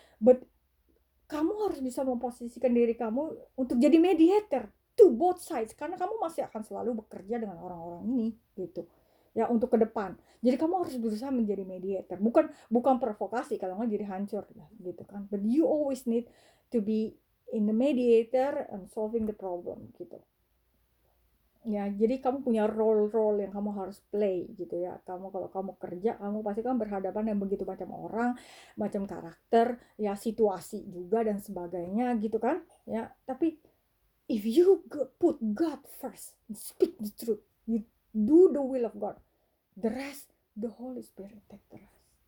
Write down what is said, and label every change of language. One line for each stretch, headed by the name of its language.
Indonesian: But kamu harus bisa memposisikan diri kamu untuk jadi mediator
English: to both sides.
Indonesian: Karena kamu masih akan selalu bekerja dengan orang-orang ini gitu. Ya untuk ke depan. Jadi kamu harus berusaha menjadi mediator, bukan provokasi, kalau enggak jadi hancur gitu kan.
English: But you always need to be in the mediator and solving the problem gitu.
Indonesian: Ya, jadi kamu punya role-role yang kamu harus play gitu ya. Kamu kalau kamu kerja, kamu pasti kan berhadapan dengan begitu macam orang, macam karakter, ya situasi juga dan sebagainya gitu kan. Ya, tapi
English: if you put God first, speak the truth, you do the will of God, the rest, the Holy Spirit take the rest.